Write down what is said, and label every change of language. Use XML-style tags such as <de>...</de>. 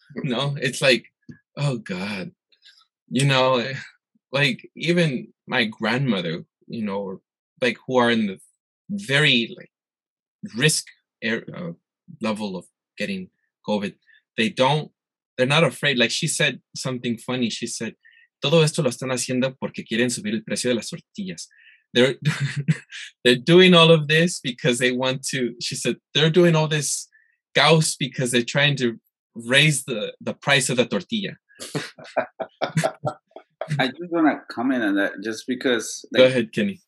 <en>You know, it's like, oh God. You know, like even my grandmother, you know, or like who are in the very like risk level of getting COVID, they don't. They're not afraid. Like she said something funny.</en> <es>She said, todo esto lo están haciendo porque quieren subir el precio de las tortillas.</es> <en>They're doing all of this because they want to, she said, they're doing all this gauss because they're trying to raise the price of the tortilla. I just want to comment on that just because. Like, go ahead, Kenny.</en>